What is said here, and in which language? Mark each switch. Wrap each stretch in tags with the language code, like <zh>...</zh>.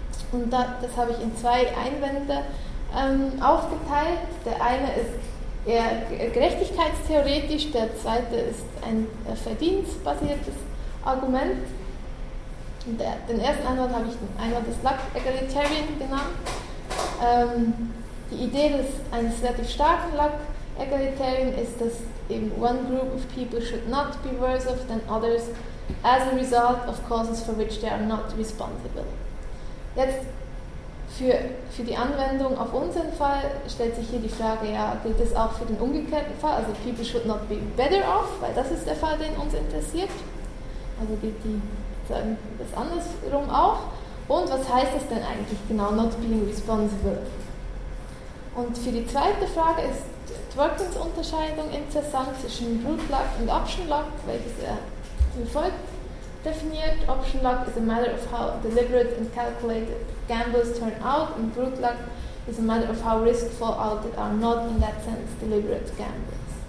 <de>Und das habe ich in zwei Einwände aufgeteilt. Der eine ist eher gerechtigkeitstheoretisch, der zweite ist ein verdienstbasiertes Argument. Und den ersten Einwand habe ich den Einwand des Luck Egalitarian genannt. Die Idee eines relativ starken Luck Egalitarian ist, dass eben</de> <en>one group of people should not be worse off than others as a result of causes for which they are not responsible.</en> <de>Jetzt für die Anwendung auf unseren Fall stellt sich hier die Frage, ja, gilt das auch für den umgekehrten Fall, also</de> <en>people should not be better off,</en> <de>weil das ist der Fall, den uns interessiert. Also gilt das andersrum auch. Und was heißt das denn eigentlich genau,</de> <en>not being responsible?</en> <de>Und für die zweite Frage ist Dworkins Unterscheidung interessant zwischen brute luck und option luck, welches er wie folgt definiert.</de> <en>Option luck is a matter of how deliberate and calculated gambles turn out, and brute luck is a matter of how riskful out they are not in that sense deliberate gambles.</en>